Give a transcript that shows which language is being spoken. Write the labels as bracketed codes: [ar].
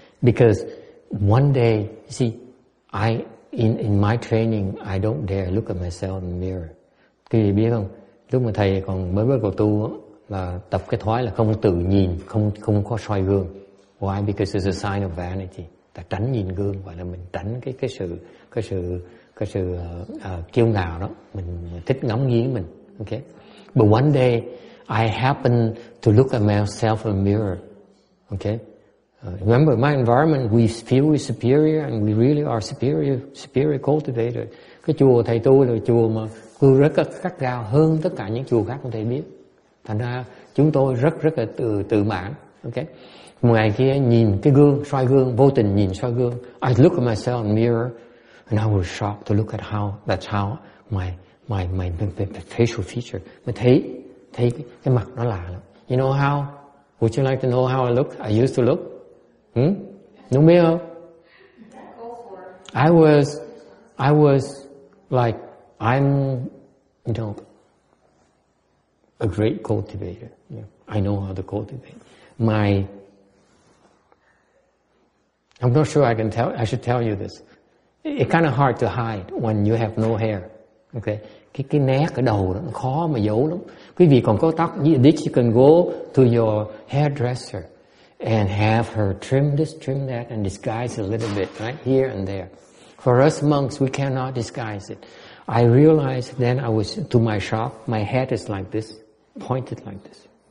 [en] Because one day, you see, in my training, I don't dare look at myself in the mirror. [vi] Quý vị biết không? Lúc mà thầy còn mới bắt đầu tu á, là tập cái thói là không tự nhìn, không có soi gương. [en] Why? Because it's a sign of vanity. Ta tránh nhìn gương gọi là mình tránh cái sự kiêu ngạo đó, mình thích ngắm nghiến mình. Okay. But one day I happened to look at myself in a mirror. Okay. Remember my environment, we feel we're superior and we really are superior cultivator. [vi] Cái chùa thầy tu là chùa mà cư rất là khắc gao hơn tất cả những chùa khác mà thầy biết. Thành ra chúng tôi rất là tự mãn. Okay. Một ngày kia nhìn cái gương, soi gương, vô tình nhìn soi gương. [en] I look at myself in the mirror and I was shocked to look at how my facial feature. [vi] Mà thấy cái mặt nó lạ lắm. [en] You know how? Would you like to know how I look? I used to look. [vi] Đúng biết không? [en] I was like, I'm, you know, a great cultivator. Yeah. I know how to cultivate. I'm not sure I should tell you this. It's kind of hard to hide when you have no hair. Okay. [vi] Cái nét ở đầu đó, nó khó mà giấu lắm. Quý vị còn có tóc, [en] you can go to your hairdresser and have her trim this, trim that, and disguise a little bit, right? Here and there. For us monks, we cannot disguise it. I realized then I was, to my shock, my head is like this, pointed like this.